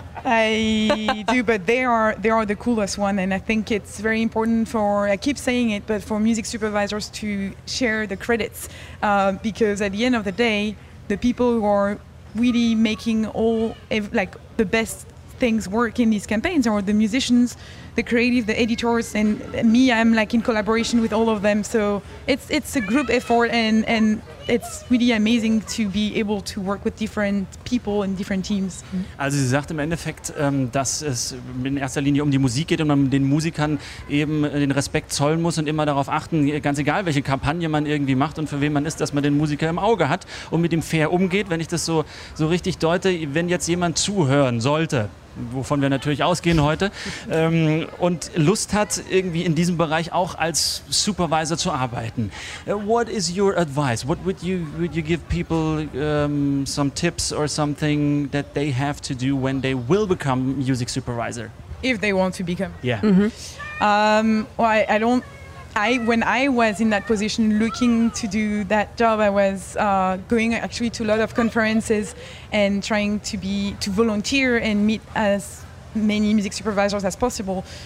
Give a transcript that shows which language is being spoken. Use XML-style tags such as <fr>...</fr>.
<en>I do, but they are the coolest one, and I think it's very important for music supervisors to share the credits, because at the end of the day, the people who are really making all the best things work in these campaigns are the musicians, the creative, the editors, and me. I'm like in collaboration with all of them, so it's a group effort, and it's really amazing to be able to work with different people and different teams.</en> <de>Also sie sagt im Endeffekt, dass es in erster Linie um die Musik geht und man den Musikern eben den Respekt zollen muss und immer darauf achten, ganz egal welche Kampagne man irgendwie macht und für wen man ist, dass man den Musiker im Auge hat und mit ihm fair umgeht, wenn ich das so richtig deute, wenn jetzt jemand zuhören sollte, wovon wir natürlich ausgehen heute, und Lust hat, irgendwie in diesem Bereich auch als Supervisor zu arbeiten.</de> <en>What is your advice? What would you give people some tips or something that they have to do when they will become music supervisor? If they want to become. Yeah. Mm-hmm. When I was in that position looking to do that job, I was going actually to a lot of conferences and trying to volunteer and meet as many music supervisors as possible.</en>